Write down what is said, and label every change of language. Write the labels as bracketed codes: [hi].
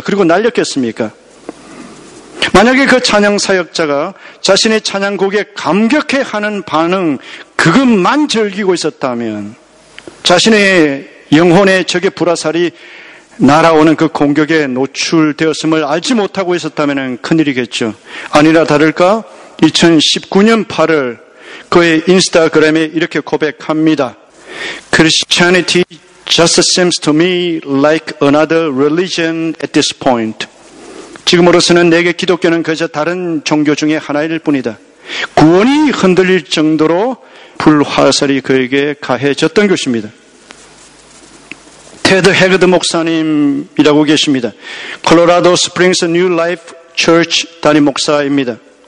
[ko] 그리고 날렸겠습니까? 만약에 그 찬양 사역자가 자신의 찬양곡에 감격해하는 반응 그것만 즐기고 있었다면 자신의 영혼의 적의 불화살이 날아오는 그 공격에 노출되었음을 알지 못하고 있었다면 큰일이겠죠. 아니라 다를까 2019년 8월 그의 인스타그램에 이렇게 고백합니다. [en] Christianity just seems to me like another religion at this point. [ko] 지금으로서는 내게 기독교는 그저 다른 종교 중에 하나일 뿐이다. 구원이 흔들릴 정도로 불화살이 그에게 가해졌던 것입니다. 테드 해그드 목사님이라고 계십니다. 콜로라도 스프링스 뉴 라이프 처치 단임 목사입니다.